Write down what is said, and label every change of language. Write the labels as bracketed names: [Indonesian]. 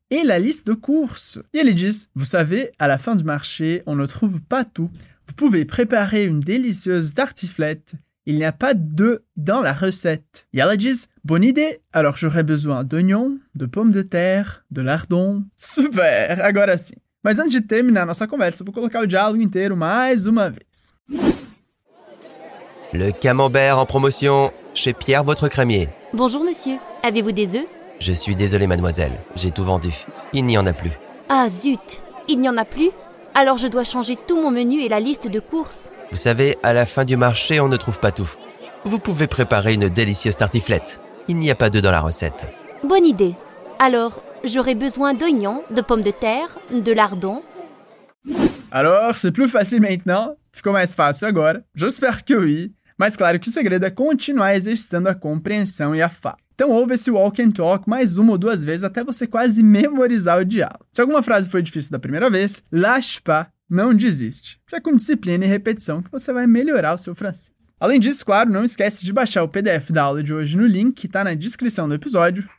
[French] Et la liste de courses. Et ils disent, vous savez, à la fin du marché, on ne trouve pas tout. Vous pouvez préparer une délicieuse tartiflette. Il n'y a pas d'œufs dans la recette. Et ils disent, bonne idée. Alors j'aurai besoin d'oignons, de pommes de terre, de lardons. [Portuguese] Super, agora sim. Mas antes de terminar nossa conversa, vou colocar o diálogo inteiro mais uma vez. [French] Le camembert en promotion, chez Pierre, votre crémier. Bonjour monsieur, avez-vous des œufs? Je suis désolée, mademoiselle, j'ai tout vendu. Il n'y en a plus. Ah zut, il n'y en a plus? Alors je dois changer tout mon menu et la liste de courses. Vous savez, à la fin du marché, on ne trouve pas tout. Vous pouvez préparer une délicieuse tartiflette. Il n'y a pas d'œufs dans la recette. Bonne idée. Alors, j'aurai besoin d'oignons, de pommes de terre, de lardons. Alors, c'est plus facile maintenant? [Portuguese] Ficou mais fácil agora? [French] J'espère que oui. [Portuguese] Mas claro que o segredo é continuar exercitando a compreensão e a fala. Então ouve esse walk and talk mais uma ou duas vezes até você quase memorizar o diálogo. Se alguma frase foi difícil da primeira vez, [French] lâche pas, [Portuguese] não desiste. Já com disciplina e repetição que você vai melhorar o seu francês. Além disso, claro, não esquece de baixar o PDF da aula de hoje no link que está na descrição do episódio.